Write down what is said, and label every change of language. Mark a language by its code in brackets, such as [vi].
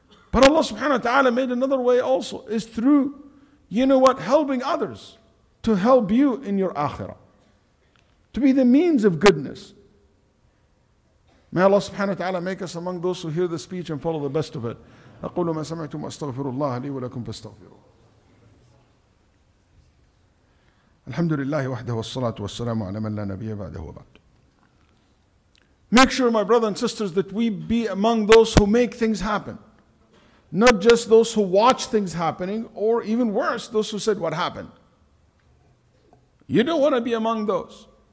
[en] But Allah subhanahu wa ta'ala made another way also, is through, you know what, helping others to help you in your akhirah. To be the means of goodness. May Allah subhanahu wa ta'ala make us among those who hear the speech and follow the best of it. [ar] أقول ما سمعتم أستغفر الله لي ولكم فاستغفروا الحمد لله وحده والصلاة والسلام على من لا نبي بعده وبعد. [en] Make sure, my brothers and sisters, that we be among those who make things happen, not just those who watch things happening, or even worse, those who said what happened. You don't want to be among those.